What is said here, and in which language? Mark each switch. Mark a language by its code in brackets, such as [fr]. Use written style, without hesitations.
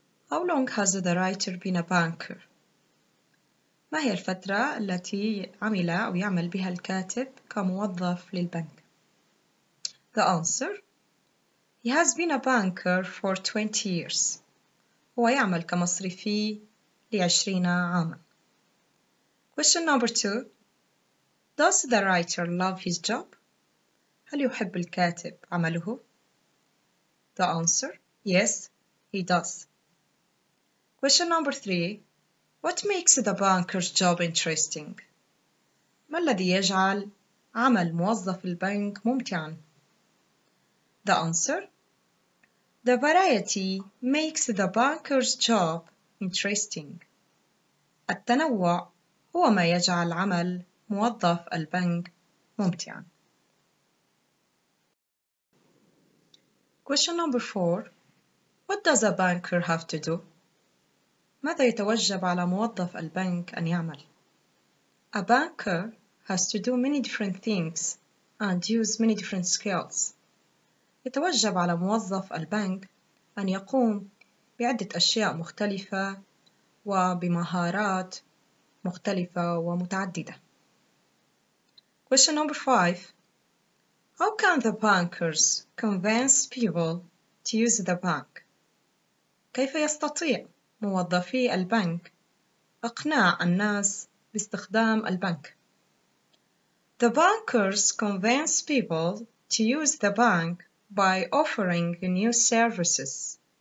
[en] How long has the writer been a banker? [ar] ما هي الفترة التي عمل أو يعمل بها الكاتب كموظف للبنك؟ [en] The answer: He has been a banker for 20 years. [ar] هو يعمل كمصرفي لعشرين عاما. [en] Question number two: Does the writer love his job? [ar] هل يحب الكاتب عمله؟ [en] The answer: Yes, he does. Question number three: What makes the banker's job interesting? [ar] ما الذي يجعل عمل موظف البنك ممتعاً؟ [en] The answer: The variety makes the banker's job interesting. [ar] التنوع هو ما يجعل عمل موظف البنك ممتعاً. [en] Question number four: What does a banker have to do? [ar] ماذا يتوجب على موظف البنك أن يعمل؟ [en] A banker has to do many different things and use many different skills. [ar] يتوجب على موظف البنك أن يقوم بعدة أشياء مختلفة وبمهارات مختلفة ومتعددة. [en] Question number five. How can the bankers convince people to use the bank? [ar] كيف يستطيع موظفي البنك إقناع الناس باستخدام البنك؟ [en] The bankers convince people to use the bank by offering new services.